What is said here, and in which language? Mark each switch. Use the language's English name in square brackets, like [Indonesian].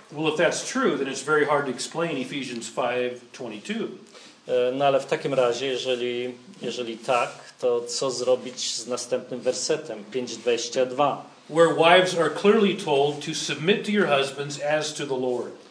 [English] Well, if that's true, then it's very hard to explain Ephesians 5:22. [Polish] No ale w takim razie, jeżeli tak, to co zrobić z następnym wersetem 5:22? [English] Where wives are clearly told to submit to your husbands as to the Lord.